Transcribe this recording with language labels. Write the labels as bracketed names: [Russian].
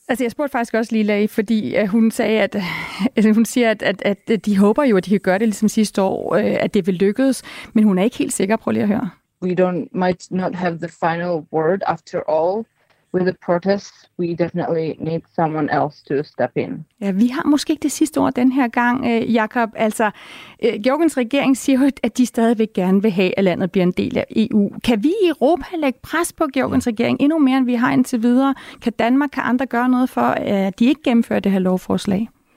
[Danish] Altså, jeg spurgte faktisk også Lila, fordi hun sagde, at hun siger, at de håber jo, at de kan gøre det ligesom sidste år, at det vil lykkes, men hun er ikke helt sikker. Prøv lige at høre. [English] We don't might not have the final word after all. With the protests, we definitely need someone else to step in. [Danish] Ja, vi har måske ikke det sidste ord den her gang, Jakob. Altså, Georgiens regering siger jo, at de stadigvæk gerne vil have, at landet bliver en del af EU. Kan vi i Europa lægge pres på Georgiens regering endnu mere, end vi har indtil videre? Kan Danmark, kan andre gøre noget for, at de ikke gennemfører det her lovforslag?